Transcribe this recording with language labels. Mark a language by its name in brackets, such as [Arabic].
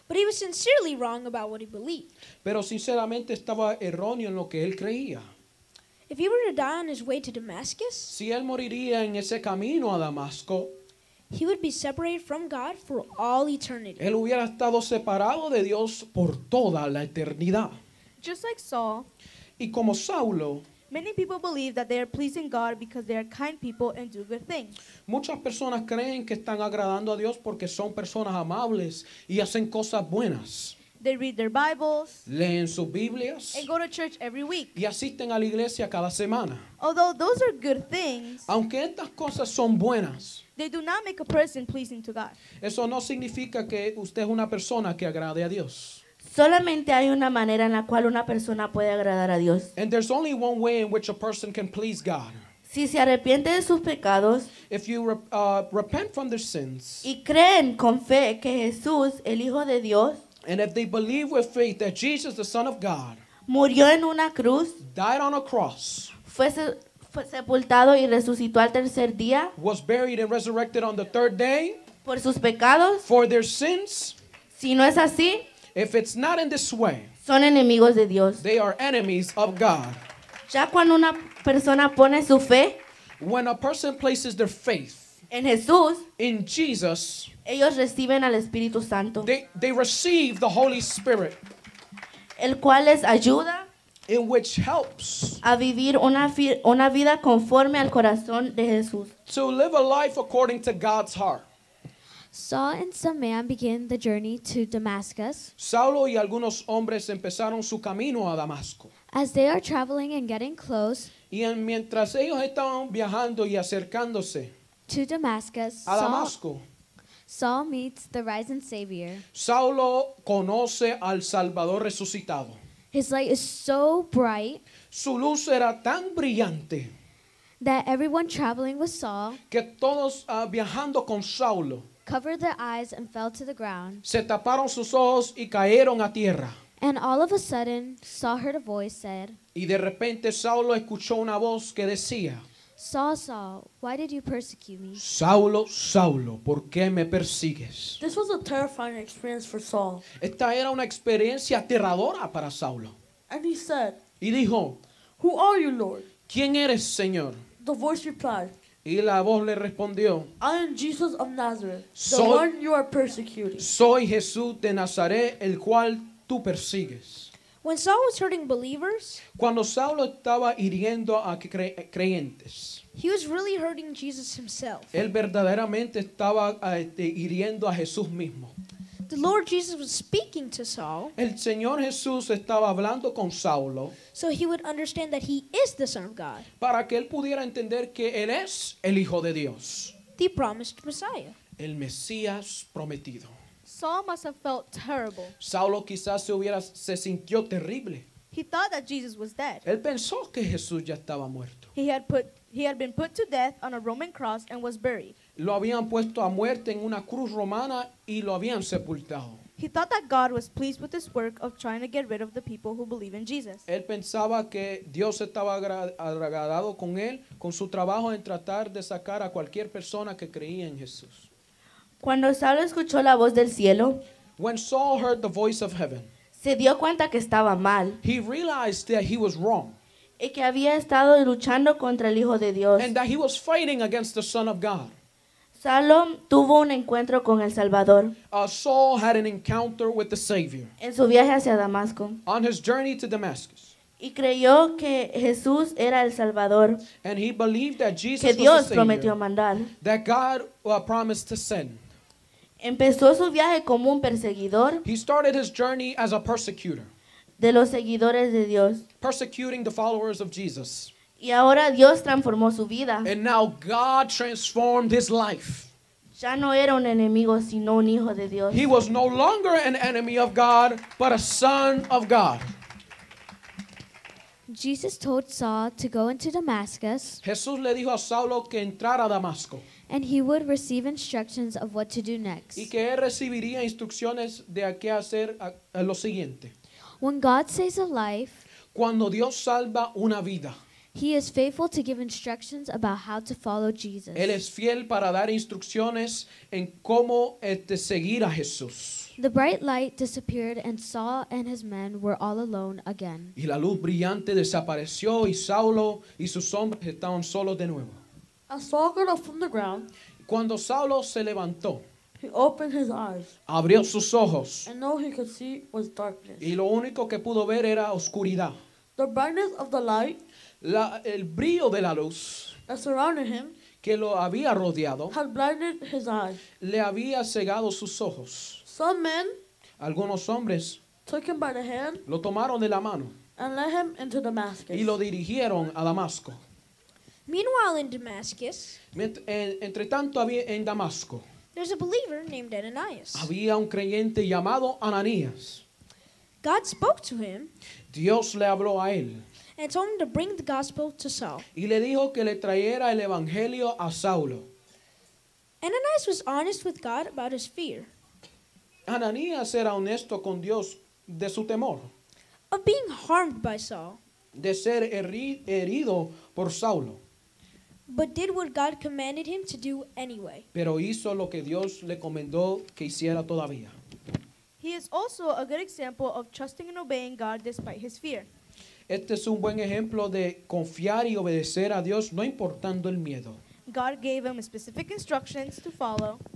[English] But he was sincerely wrong about what he believed. [Spanish] Pero sinceramente estaba erróneo en lo que él creía. [English] If he were to die on his way to Damascus, [Spanish] si él moriría en ese camino a Damasco, [English] he would be separated from God for all eternity. [Spanish] Él hubiera estado separado de Dios por toda la eternidad. [English] Just like Saul, [Spanish] y como Saulo, [English] many people believe that they are pleasing God because they are kind people and do good things. [Spanish] Muchas personas creen que están agradando a Dios porque son personas amables y hacen cosas buenas. [English] They read their Bibles. [Spanish] Leen sus Biblias. [English] And go to church every week. [Spanish] Y asisten a la iglesia cada semana. [English] Although those are good things, [Spanish] aunque estas cosas son buenas, [English] they do not make a person pleasing to God. [Spanish] Eso no significa que usted es una persona que agrade a Dios. Solamente hay una manera en la cual una persona puede agradar a Dios. [English] And there's only one way in which a person can please God. [Spanish] Si se arrepiente de sus pecados, [English] if you repent from their sins, [Spanish] y creen con fe que Jesús, el Hijo de Dios, [English] and if they believe with faith that Jesus, the Son of God, [Spanish] murió en una cruz, [English] died on a cross, [Spanish] fue sepultado y resucitó al tercer día, [English] was buried and resurrected on the third day, [Spanish] por sus pecados, [English] for their sins, [Spanish] si no es así, [English] if it's not in this way, [Spanish] son enemigos de Dios. [English] They are enemies of God. [Spanish] Ya cuando una persona pone su fe, [English] when a person places their faith [Spanish] en Jesús, [English] in Jesus, [Spanish] ellos reciben al Espíritu Santo. [English] They receive the Holy Spirit, [Spanish] el cual les ayuda, [English] in which helps, [Spanish] a vivir una vida conforme al corazón de Jesús. [English] To live a life according to God's heart. Saul and some man began the journey to Damascus. [Spanish] Saulo y algunos hombres empezaron su camino a Damasco. [English] As they are traveling and getting close, [Spanish] y mientras ellos estaban viajando y acercándose [English] to Damascus, [Spanish] a Damasco, [English] Saul meets the risen Savior. [Spanish] Saulo conoce al Salvador resucitado. [English] His light is so bright. [Spanish] Su luz era tan brillante. [English] That everyone traveling with Saul, [Spanish] que todos viajando con Saulo, [English] covered their eyes and fell to the ground. [Spanish] Se taparon sus ojos y cayeron a tierra. [English] And all of a sudden, Saul heard a voice said, [Spanish] y de repente Saulo escuchó una voz que decía, [English] Saul, Saul, why did you persecute me? [Spanish] Saulo, Saulo, ¿por qué me persigues? [English] This was a terrifying experience for Saul. [Spanish] Esta era una experiencia aterradora para Saulo. [English] And he said, [Spanish] y dijo, [English] who are you, Lord? [Spanish] ¿Quién eres, Señor? [English] The voice replied, [Spanish] y la voz le respondió, [English] I am Jesus of Nazareth, the one you are persecuting. [Spanish] Soy Jesús de Nazaret, el cual tú persigues. [English] When Saul was hurting believers, [Spanish] cuando Saulo estaba hiriendo a creyentes, [English] he was really hurting Jesus himself. [Spanish] Él verdaderamente estaba hiriendo a Jesús mismo. [English] The Lord Jesus was speaking to Saul. [Spanish] El Señor Jesús estaba hablando con Saulo. [English] So he would understand that he is the Son of God. [Spanish] Para que él pudiera entender que él es el Hijo de Dios. [English] The promised Messiah. [Spanish] El Mesías prometido. [English] Saul must have felt terrible. [Spanish] Saulo quizás se sintió terrible. [English] He thought that Jesus was dead. [Spanish] Él pensó que Jesús ya estaba muerto. [English] He had been put to death on a Roman cross and was buried. [Spanish] Lo habían puesto a muerte en una cruz romana y lo habían sepultado. [English] He thought that God was pleased with his work of trying to get rid of the people who believe in Jesus. [Spanish] Él pensaba que Dios estaba agradado con él, con su trabajo en tratar de sacar a cualquier persona que creía en Jesús. Cuando Saulo escuchó la voz del cielo, [English] when Saul heard the voice of heaven, [Spanish] se dio cuenta que estaba mal. [English] He realized that he was wrong. [Spanish] Y que había estado luchando contra el Hijo de Dios. [English] And that he was fighting against the Son of God. [Spanish] Saulo tuvo un encuentro con el Salvador. [English] Saul had an encounter with the Savior. [Spanish] En su viaje hacia Damasco. [English] On his journey to Damascus. [Spanish] Y creyó que Jesús era el Salvador. [English] And he believed that Jesus [Spanish] que Dios [English] was the [Spanish] prometió mandar. [English] That God promised to send. [Spanish] Empezó su viaje como un perseguidor. [English] He started his journey as a persecutor. [Spanish] De los seguidores de Dios. [English] Persecuting the followers of Jesus. [Spanish] Y ahora Dios transformó su vida. [English] And now God transformed his life. [Spanish] Ya no era un enemigo, sino un hijo de Dios. [English] He was no longer an enemy of God, but a son of God. Jesus told Saul to go into Damascus. [Spanish] Jesús le dijo a Saulo que entrara a Damasco. [English] And he would receive instructions of what to do next. [Spanish] Y que él recibiría instrucciones de a qué hacer a lo siguiente. [English] When God saves a life, [Spanish] cuando Dios salva una vida, [English] he is faithful to give instructions about how to follow Jesus. [Spanish] Él es fiel para dar instrucciones en cómo seguir a Jesús. [English] The bright light disappeared and Saul and his men were all alone again. [Spanish] Y la luz brillante desapareció y Saulo y sus hombres estaban solos de nuevo. [English] As Saul got up from the ground, [Spanish] cuando Saulo se levantó, [English] he opened his eyes, [Spanish] abrió sus ojos, [English] and all he could see was darkness. [Spanish] Y lo único que pudo ver era oscuridad. [English] The brightness of the light, [Spanish] el brillo de la luz, [English] that surrounded him, [Spanish] que lo había rodeado, [English] had blinded his eyes, [Spanish] le había cegado sus ojos. [English] Some men, [Spanish] algunos hombres, [English] took him by the hand, [Spanish] lo tomaron de la mano, [English] and led him into Damascus, [Spanish] y lo dirigieron a Damasco. [English] Meanwhile, in Damascus, [Spanish] entre tanto había en Damasco, [English] there's a believer named Ananias. [Spanish] Había un creyente llamado Ananías. [English] God spoke to him. [Spanish] Dios le habló a él. [English] And told him to bring the gospel to Saul. [Spanish] Y le dijo que le trajera el evangelio a Saulo. [English] Ananias was honest with God about his fear. [Spanish] Ananías era honesto con Dios de su temor. [English] Of being harmed by Saul. [Spanish] De ser herido por Saulo. [English] But did what God commanded him to do anyway. [Spanish] Pero hizo lo que Dios le comendó que hiciera todavía. [English] He is also a good example of trusting and obeying God despite his fear. [Spanish] Este es un buen ejemplo de confiar y obedecer a Dios no importando el miedo. [English] God gave him specific instructions to follow.